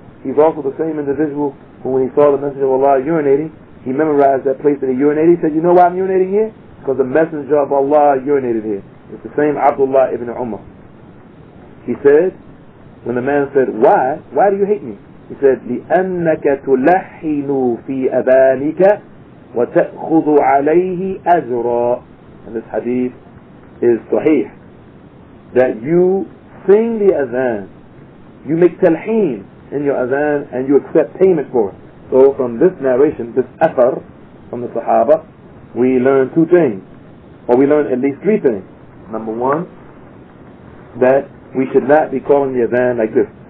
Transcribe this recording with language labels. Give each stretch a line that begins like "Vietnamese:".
English: He's also the same individual who, when he saw the Messenger of Allah urinating, he memorized that place that he urinated. He said, you know why I'm urinating here? Because the Messenger of Allah urinated here. It's the same Abdullah ibn Umar. He said, when the man said, why do you hate me?
Arabic: He said, لِأَنَّكَ تُلَحِّنُ فِي أَبَانِكَ وَتَأْخُذُ عَلَيْهِ أَجْرًا.
English: And this hadith is sahih. That you sing the adhan, you make talheen in your adhan, and you accept payment for it. So from this narration, this athar from the Sahaba, we learn two things. Or we learn at least three things. Number one, that we should not be calling the adhan like this.